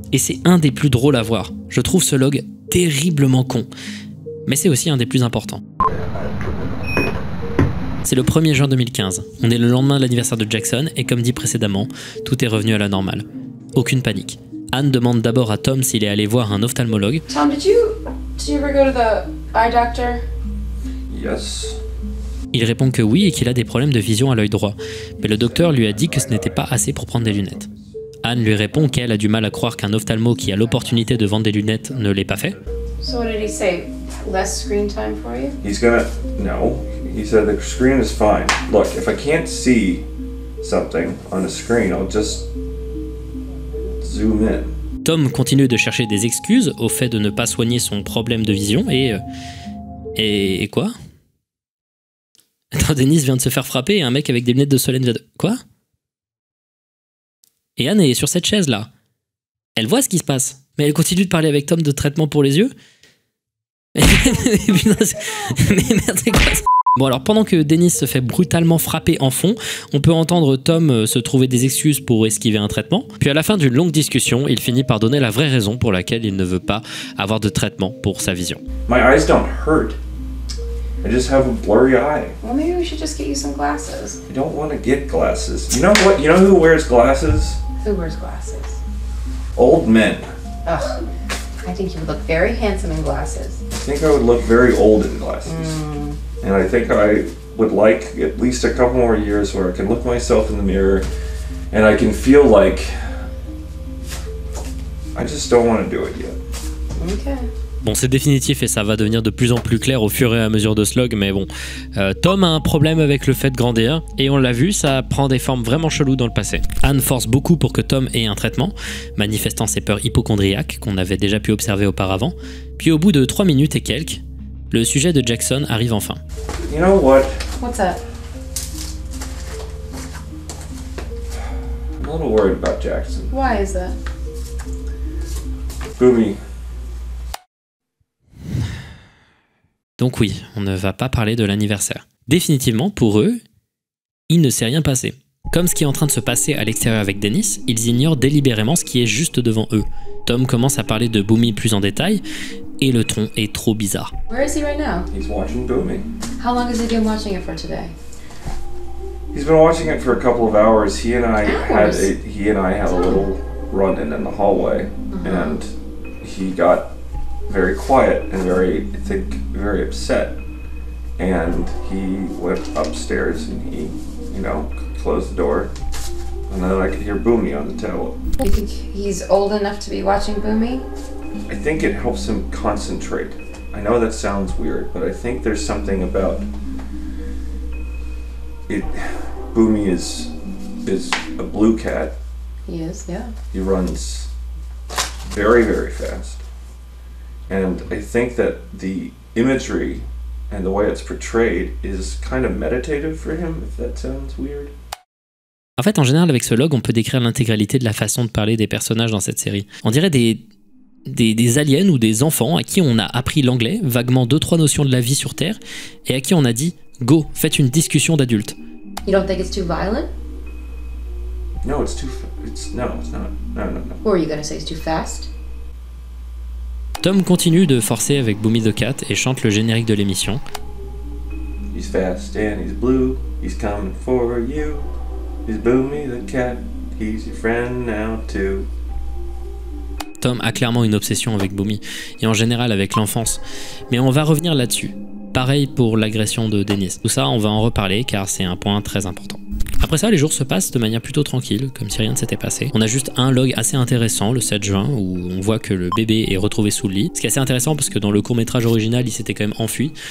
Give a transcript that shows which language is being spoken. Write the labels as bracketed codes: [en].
[fr] Et c'est un des plus drôles à voir. Je trouve ce log terriblement con. Mais c'est aussi un des plus importants. C'est le 1er juin 2015. On est le lendemain de l'anniversaire de Jackson et comme dit précédemment, tout est revenu à la normale. Aucune panique. Anne demande d'abord à Tom s'il est allé voir un ophtalmologue. [en] Tom, did you ever go to the eye doctor? Yes. [fr] Il répond que oui et qu'il a des problèmes de vision à l'œil droit, mais le docteur lui a dit que ce n'était pas assez pour prendre des lunettes. Anne lui répond qu'elle a du mal à croire qu'un ophtalmo qui a l'opportunité de vendre des lunettes ne l'ait pas fait. [en] So what did he say? Less screen time for you? He's gonna... no. He said the screen is fine. Look, if I can't see something on the screen, I'll just... zoom in. [fr] Tom continue de chercher des excuses au fait de ne pas soigner son problème de vision et quoi ? Attends, Denise vient de se faire frapper et un mec avec des lunettes de soleil vient de... quoi ? Et Anne est sur cette chaise là. Elle voit ce qui se passe, mais elle continue de parler avec Tom de traitement pour les yeux. Mais merde, c'est quoi ça ? Bon alors, pendant que Denise se fait brutalement frapper en fond, on peut entendre Tom se trouver des excuses pour esquiver un traitement. Puis à la fin d'une longue discussion, il finit par donner la vraie raison pour laquelle il ne veut pas avoir de traitement pour sa vision. [en] My eyes don't hurt. I just have a blurry eye. Well, maybe we should just get you some glasses. I don't want to get glasses. You know what? You know who wears glasses? Who wears glasses? Old men. Ugh. I think you would look very handsome in glasses. I think I would look very old in glasses. Mm. And I think I would like at least a couple more years where I can look myself in the mirror and I can feel like I just don't want to do it yet. Okay. [fr] Bon, c'est définitif et ça va devenir de plus en plus clair au fur et à mesure de ce log, mais bon. Tom a un problème avec le fait de grandir, et on l'a vu, ça prend des formes vraiment cheloues dans le passé. Anne force beaucoup pour que Tom ait un traitement, manifestant ses peurs hypochondriaques qu'on avait déjà pu observer auparavant. Puis au bout de 3 minutes et quelques, le sujet de Jackson arrive enfin. [en] You know what? What's that? I'm a little worried about Jackson. Why is that? Boomy. [fr] Donc oui, on ne va pas parler de l'anniversaire. Définitivement, pour eux, il ne s'est rien passé. Comme ce qui est en train de se passer à l'extérieur avec Dennis, ils ignorent délibérément ce qui est juste devant eux. Tom commence à parler de Boomy plus en détail, et le ton est trop bizarre. [en] Where is he right now? He's watching Boomy. How long has he been watching it for today? He's been watching it for a couple of hours. He and I hours? Had a, he and I had a little run-in in the hallway, uh-huh. And he got very quiet and very, I think, very upset. And he went upstairs and he, you know, closed the door. And then I could hear Boomy on the table. You think he's old enough to be watching Boomy? I think it helps him concentrate. I know that sounds weird, but I think there's something about it. Bumi is a blue cat. He is, yeah. He runs very, very fast. And I think that the imagery and the way it's portrayed is kind of meditative for him, if that sounds weird. [fr] En fait, en général, avec ce log, on peut décrire l'intégralité de la façon de parler des personnages dans cette série. On dirait des aliens ou des enfants à qui on a appris l'anglais, vaguement 2-3 notions de la vie sur Terre, et à qui on a dit « Go, faites une discussion d'adulte ». [en] You don't think it's too violent? No, it's too... No, it's not. Or are you gonna say it's too fast? [fr] Tom continue de forcer avec Bumi the Cat et chante le générique de l'émission. [en] He's fast and he's blue, he's coming for you. He's Bumi the Cat, he's your friend now too. [fr] Tom a clairement une obsession avec Bumi, et en général avec l'enfance. Mais on va revenir là-dessus. Pareil pour l'agression de Dennis. Tout ça, on va en reparler, car c'est un point très important. Après ça, les jours se passent de manière plutôt tranquille, comme si rien ne s'était passé. On a juste un log assez intéressant, le 7 juin, où on voit que le bébé est retrouvé sous le lit. Ce qui est assez intéressant, parce que dans le court-métrage original, il s'était quand même enfui.